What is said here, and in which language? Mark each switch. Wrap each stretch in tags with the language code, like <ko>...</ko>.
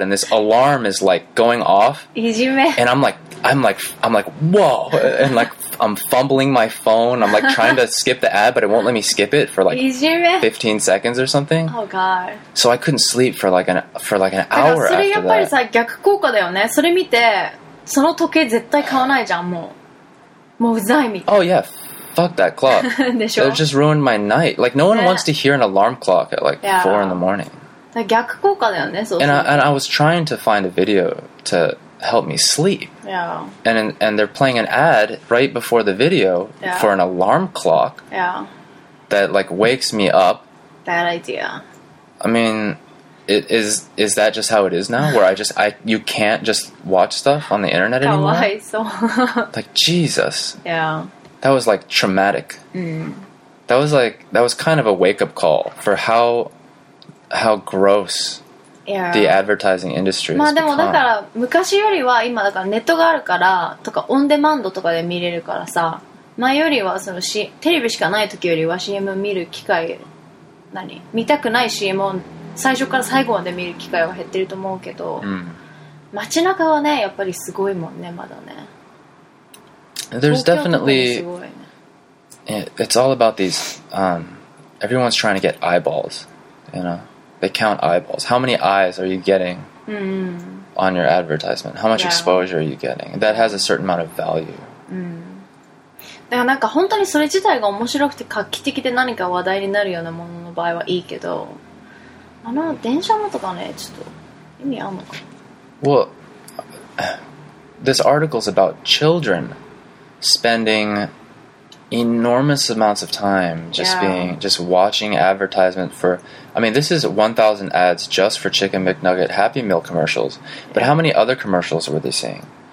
<en>And this alarm is like going off. And I'm like, whoa. And like, I'm fumbling my phone. I'm like trying to skip the ad, but it won't let me skip it for like 15 seconds or something. Oh, God. So I couldn't sleep for like an hour after that.</en> <ja>それやっぱりさ、逆効果だよね。それ見て、その時計絶対買わないじゃん、もう。もううざいみたい。</ja> <en>Oh, yeah. Fuck that clock.</en> <ja>でしょ?</ja> <en>It just ruined my night. Like, no one wants to hear an alarm clock at like 4 in the morning.</en> <ja>逆効果だよね、そうそう。</ja> <en>And I was trying to find a video to... help me sleep. Yeah. And they're playing an ad right before the video yeah. for an alarm clock. Yeah. That like wakes me up. Bad idea. I mean, is that just how it is now? Where you can't just watch stuff on the internet anymore?</en> <ja>かわいそう。</ja> <en>Like Jesus. Yeah. That was like traumatic. Mm. That was kind of a wake up call for how gross. Yeah. The advertising industry.</en> <ja>まあでもだから昔よりは今だからネットがあるからとかオンデマンドとかで見れるからさ、前よりはそのテレビしかない時よりは CM 見る機会、何見たくない CM を最初から最後まで見る機会は減ってると思うけど、うん、街中はねやっぱりすごいもんね、まだね。</ja> <en>There's definitely</en> <ja>すごいね。</ja> <en>It's all about these. Everyone's trying to get eyeballs, you know. They count eyeballs. How many eyes are you getting、 mm. on your advertisement? How much、 yeah. exposure are you getting? That has a certain amount of value.、 Mm.</en> <ja>だからなんか本当にそれ自体が面白くて画期的で何か話題になるようなものの場合はいいけど、あの電車のとかね、ちょっと意味あるのか。</ja> <en>Well, this article is about children spending enormous amounts of time just being, just watching advertisement for, I mean, this is 1,000 ads just for Chicken McNugget Happy Meal commercials, but how many other commercials were they seeing?</en>